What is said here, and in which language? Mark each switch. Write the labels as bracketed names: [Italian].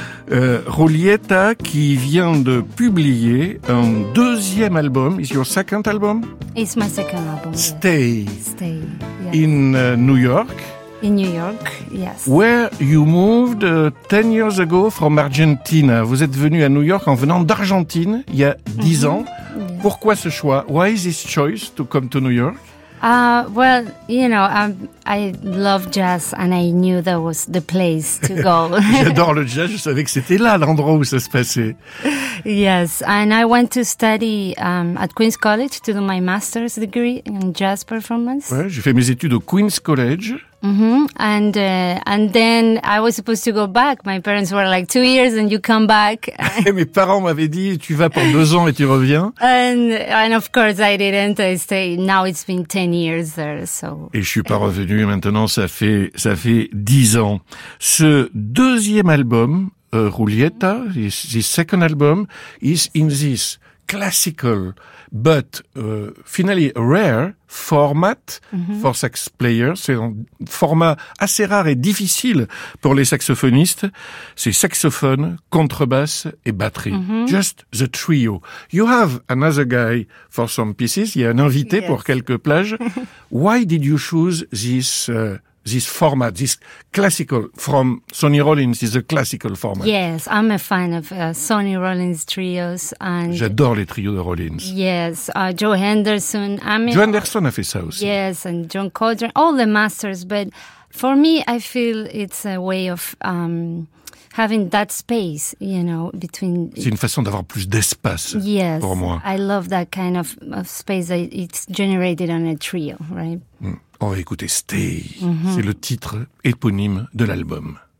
[French] Julieta, qui vient de publier un deuxième album. [English] Is your second album? It's my second album. Stay. Yes. In New York? In New York, yes. Where you moved 10 years ago from Argentina. [French] Vous êtes venu à New York en venant d'Argentine il y a 10 ans. [English] Yes. [French] Pourquoi ce choix? [English] Why is this choice to come to New York? Well, you know, I love jazz and I knew that was the place to go. [French] J'adore le jazz, je savais que c'était là l'endroit où ça se passait. [English] Yes, and I went to study at Queen's College to do my master's degree in jazz performance. [French] Ouais, j'ai fait mes études au Queen's College. Mm-hmm. [English] And then I was supposed to go back. My parents were like, 2 years and you come back. [French] Mes parents m'avaient dit, tu vas pour 2 ans et tu reviens. [English] And of course I didn't. I stayed. Now it's been 10 years there, so. [French] Et je suis pas revenu. Maintenant, ça fait 10 ans. Ce deuxième album, [English] Julieta, his second album, is in this classical, but finally rare format for sax players. [French] C'est un format assez rare et difficile pour les saxophonistes. C'est saxophone, contrebasse et batterie. Mm-hmm. [English] Just the trio. You have another guy for some pieces. [French] Il y a un invité, [English] yes, [French] pour quelques plages. [English] Why did you choose this this format, this classical, from Sonny Rollins is a classical format? Yes, I'm a fan of Sonny Rollins trios. And [French] j'adore les trios de Rollins. [English] Yes, Joe Henderson. [French] Joe Henderson a fait ça aussi. [English] Yes, and John Coltrane, all the masters. But for me, I feel it's a way of having that space, you know, between. [French] C'est une façon d'avoir plus d'espace, [English] yes, [French] pour moi. [English] I love that kind of space that it's generated on a trio, right? [French] On va écouter Stay, c'est le titre éponyme de l'album.